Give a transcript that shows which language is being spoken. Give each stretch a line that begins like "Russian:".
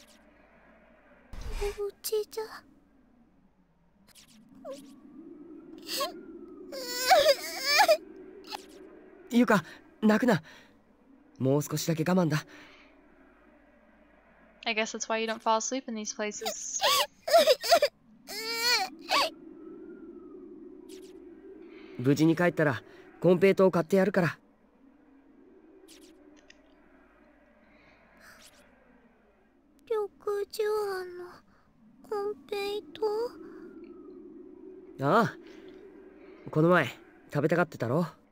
Japanese: しまった。うとうとしてしまったか。何やってんだ俺。本当に寝てどうするんだよ。お兄ちゃん。お家じゃ。ゆか、泣くな。もう少しだけ我慢だ。
English: I guess that's why you don't fall asleep in these places.
Japanese: 無事に帰ったら、コンペイトを買ってやるから。緑地庵のコンペイト？ああ、この前、食べたがってたろ。